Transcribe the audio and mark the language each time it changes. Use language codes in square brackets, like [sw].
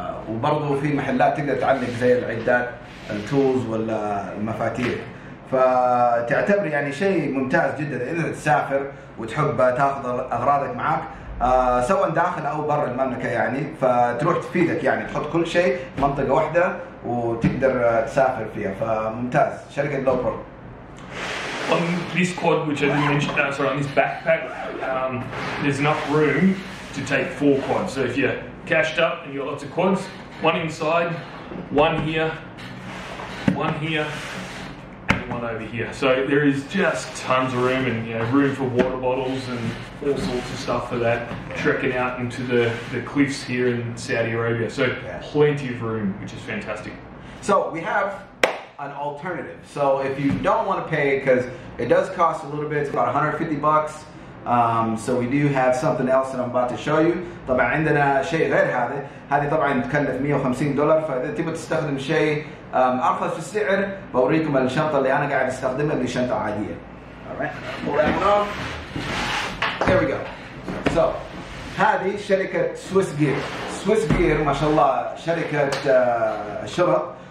[ar] وبرضو في محلات تقدر تعلق زي العدات التولز ولا المفاتيح فتعتبر يعني شيء ممتاز جدا إذا تسافر وتحب تأخذ أغراضك معك سواء داخل أو برا المملكة يعني فتروح تفيدك يعني تحط كل شيء منطقة واحدة وتقدر تسافر فيها فممتاز شركة لوبر. [en] On this quad, which I didn't mention, on this backpack, there's enough room to take 4 quads. So if you're cashed up and you've got lots of quads, one inside, one here, and one over here. So there is just tons of room and you know, room for water bottles and all sorts of stuff for that, trekking out into the cliffs here in Saudi Arabia. So plenty of room, which is fantastic. So we have an alternative. So if you don't want to pay, because it does cost a little bit, it's about $150. So we do have something else that I'm about to show you. [ar] طبعا عندنا شيء غير هذا. هذه طبعا تكلف $150. فإذا تبغى تستخدم شيء أرخص في السعر بوريكم الشنطة اللي أنا قاعد استخدمها اللي شنطة عادية. [en] Alright. Pull that one off. Here we go. [ar] So هذه شركة سويس جير. سويس جير ما شاء الله شركة شرط.